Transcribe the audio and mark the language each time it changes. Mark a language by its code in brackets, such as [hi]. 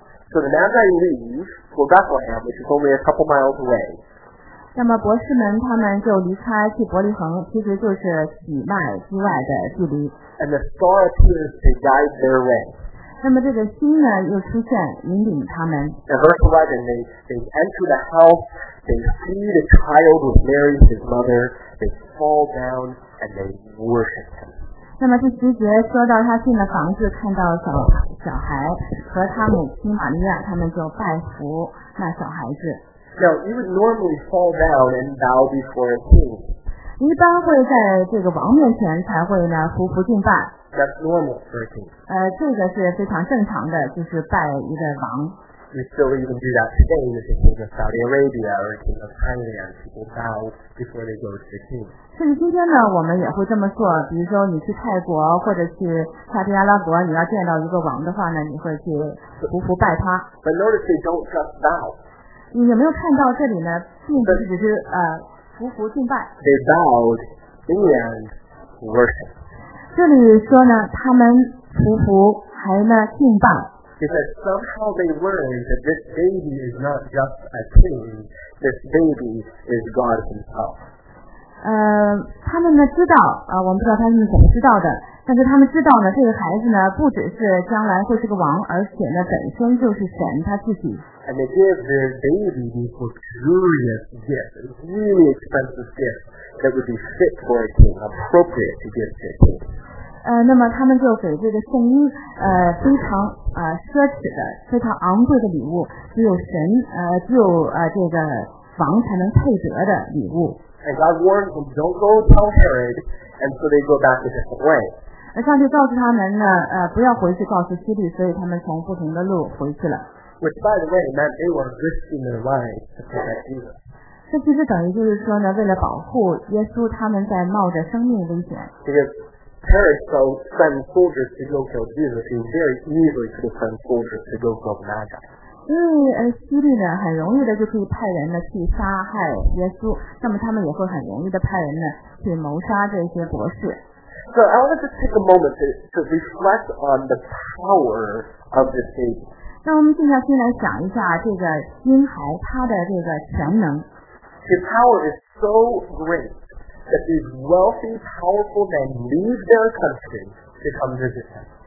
[en] So the Magi leave for Bethlehem, which is only a couple miles away. [zh] 那么博士们他们就离开去伯利恒，其实就是几迈之外的距离。 [en] And the star appears to guide their way. [zh] 那么这个星呢又出现引领他们。 [en] In verse 11, they enter the house, they see the child with Mary his mother, they fall down and they worship him. [zh] 那么第十节说到他进了房子，看到小孩和他母亲玛利亚，他们就拜服那小孩子。 [en] Now you would normally fall down and bow before a king. [zh] 一般会在这个王面前才会呢匍匐敬拜。 [en] That's normal for a king. [zh] 这个是非常正常的，就是拜一个王。 [en] We still even do that today with the king of Saudi Arabia or king of Thailand. People bow before they go to the king. [zh] 甚至今天呢，我们也会这么做。比如说，你去泰国或者去沙特阿拉伯，你要见到一个王的话呢，你会去匍匐拜他。 [en] But notice they don't just bow. [zh] 你有没有看到这里呢？并不是只是匍匐敬拜。 [en] They bowed and worshiped. [zh] 这里说呢，他们匍匐还呢敬拜。 [en] It says somehow they learned that this baby is not just a king, this baby is God himself. [zh] 他们呢知道啊，我们不知道他们怎么知道的，但是他们知道呢，这个孩子呢不只是将来会是个王，而且呢本身就是神他自己。 [en] And they gave their baby these luxurious gifts, really expensive gifts that would be fit for a king, appropriate to give to a king. [zh] 那么他们就给这个圣婴非常奢侈的非常昂贵的礼物，只有神只有这个王才能配得的礼物。 [en] And God warned them, don't go tell Herod, and so they go back a different way. [zh] 上帝告诉他们呢不要回去告诉希律，所以他们从不同的路回去了。 [en] Which by the way meant they were risking their lives to protect Jesus. [zh] 这其实等于就是说呢，为了保护耶稣，他们在冒着生命危险。 [en] Herod so send soldiers to go kill Jesus. He very easily could have sent soldiers to go kill the Magi. [zh] 因为希律呢，很容易的就可以派人呢去杀害耶稣，那么他们也会很容易的派人呢去谋杀这些博士。 [en] So I want to just take a moment to reflect on the power of this baby. [zh] 那我们现在先来讲一下这个婴孩他的这个全能。 [en] His power is so great. That these wealthy, powerful men leave their country to come visit him.